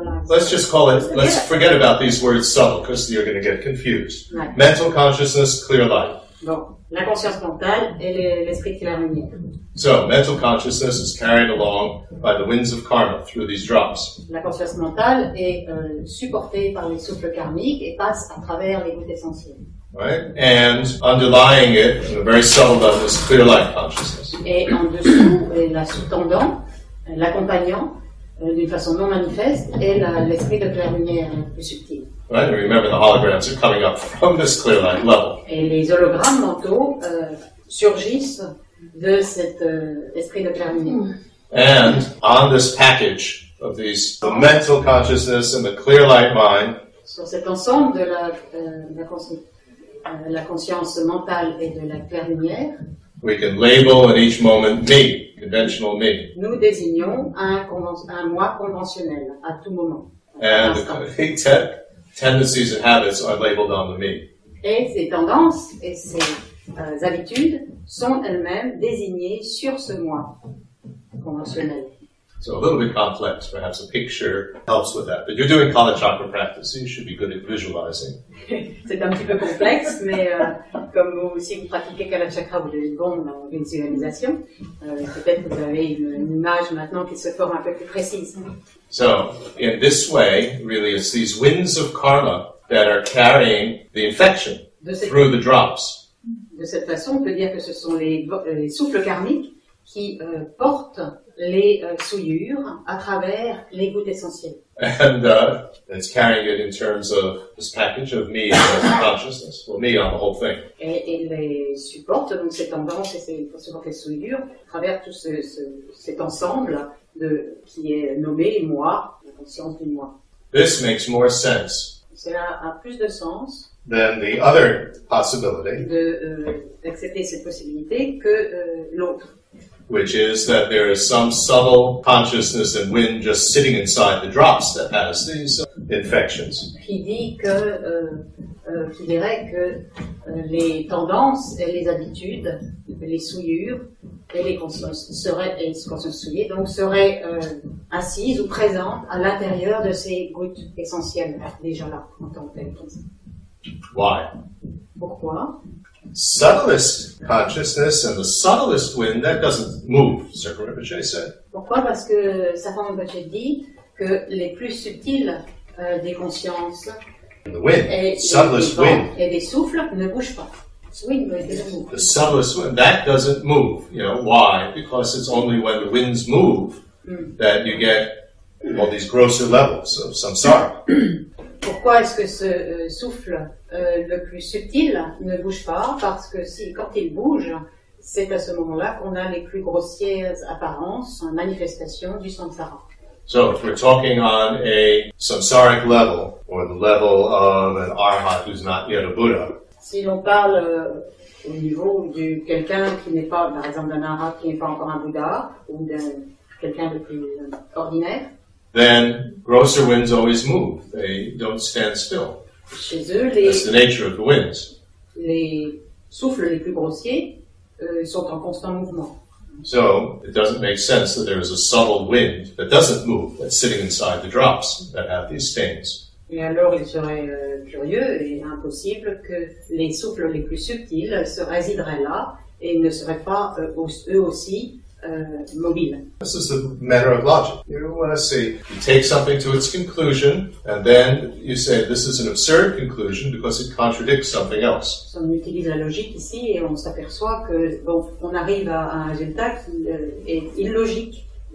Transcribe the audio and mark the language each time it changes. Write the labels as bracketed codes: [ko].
[en] Let's just call it, let's forget about these words subtle, because you're going to get confused. Right. Mental consciousness, clear light. [fr] Bon. La conscience mentale et l'esprit qui la réunit. [en] So, mental consciousness is carried along by the winds of karma through these drops. [fr] La conscience mentale est supportée par les souffles karmiques et passe à travers les gouttes essentielles. [en] Right? And underlying it, in a very subtle level, is clear light consciousness. [fr] Et en dessous, et la sous-tendant, l'accompagnant, d'une façon non manifeste, est l'esprit de clair lumière plus subtil. [en] Right? And remember, the holograms are coming up from this clear light level. [fr] Et les hologrammes mentaux surgissent de cet esprit de clair lumière. [en] And on this package of these, the mental consciousness and the clear light mind, [fr] sur cet ensemble de la conscience mentale et de la claire lumière, [en] we can label at each moment me, conventional me. [fr] Nous désignons un moi conventionnel à tout moment. [en] And the tendencies and habits are labeled on the me. [fr] Et ces tendances et ces habitudes sont elles-mêmes désignées sur ce moi conventionnel. [en] So a little bit complex, perhaps a picture helps with that. But you're doing Kalachakra practice, so you should be good at visualizing. [fr] C'est un petit peu complexe, mais comme vous pratiquez Kalachakra, vous avez une bonne visualisation. Peut-être que vous avez une image maintenant qui se forme un peu plus précise. [en] So, in this way, really, it's these winds of karma that are carrying the infection through the drops. [fr] De cette façon, on peut dire que ce sont les souffles karmiques qui portent les souillures à travers les gouttes essentielles. [en] And it's carrying it in terms of this package of me as consciousness, well, me on the whole thing. [fr] Et il les supporte, donc cette tendance et ces souillures, à travers tout cet ensemble qui est nommé moi, la conscience du moi. [en] This makes more sense. [fr] Cela a plus de sens. [en] Than the other possibility. [fr] D'accepter cette possibilité que l'autre. [en] Which is that there is some subtle consciousness and wind just sitting inside the drops that has these infections. [fr] Qui dit que, qui dirait que les tendances et les habitudes, les souillures et les consciences souillées, donc seraient assises ou présentes à l'intérieur de ces gouttes essentielles, déjà là, en tant que telles. [en] Why? [fr] Pourquoi? [en] Subtlest consciousness and the subtlest wind, that doesn't move, Sirkar Rinpoche said. [fr] Pourquoi? Parce que Sirkar Rinpoche dit que les plus subtiles des consciences [en] the wind, [fr] et, [en] subtlest [fr] des vents, [en] wind. [fr] Et des souffles ne bougent pas. [en] Wind, the subtlest wind, that doesn't move. You know, why? Because it's only when the winds move that you get all these grosser levels of samsara. [fr] Pourquoi est-ce que ce souffle le plus subtil ne bouge pas? Parce que si, quand il bouge, c'est à ce moment-là qu'on a les plus grossières apparences, manifestations du samsara. [en] So, if we're talking on a samsaric level, or the level of an arhat who's not yet a Buddha. [fr] Si l'on parle au niveau de quelqu'un qui n'est pas, par exemple, d'un arhat qui n'est pas encore un Bouddha, ou de quelqu'un de plus ordinaire, [en] then grosser winds always move. They don't stand still. [fr] Chez eux, [en] that's the nature of the winds. [fr] Les souffles les plus grossiers sont en constant mouvement. [en] So it doesn't make sense that there is a subtle wind that doesn't move, that's sitting inside the drops that have these stains. [fr] Et alors il serait curieux et impossible que les souffles les plus subtils se résideraient là et ne seraient pas eux aussi mobiles. [en] This is a matter of logic. You don't want to see, you take something to its conclusion and then you say this is an absurd conclusion because it contradicts something else. [fr] On utilise la logique ici et on s'aperçoit que bon, on arrive à un résultat qui est illogique.